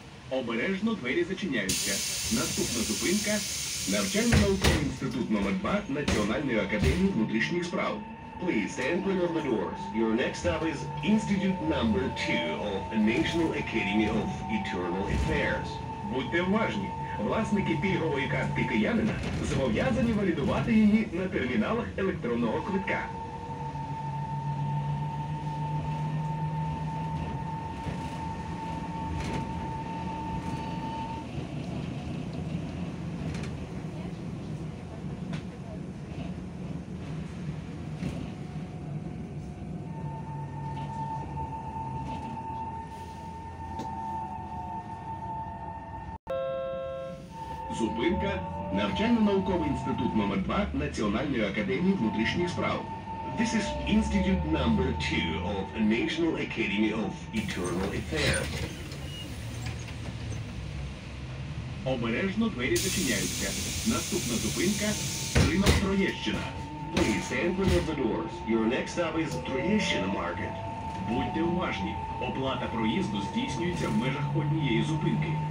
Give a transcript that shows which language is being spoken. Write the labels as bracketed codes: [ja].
[uk] Обережно двері зачиняються. Наступна зупинка – навчально-науковий інститут номер 2 Національної академії внутрішніх справ. [en] Please stand behind the doors. Your next stop is Institute Number 2 of the National Academy of Internal Affairs. [uk] Будьте уважні! Власники пільгової картки киянина зобов'язані валідувати її на терміналах електронного квитка. Зупинка – навчально-науковий інститут номер 2 Національної академії внутрішніх справ. [en] This is Institute Number 2 of the National Academy of Internal Affairs. [uk] Обережно двері зачиняються. Наступна зупинка – ринок Троєщина. [en] Please enter the doors. Your next stop is Троєщина Market. [uk] Будьте уважні, оплата проїзду здійснюється в межах однієї зупинки.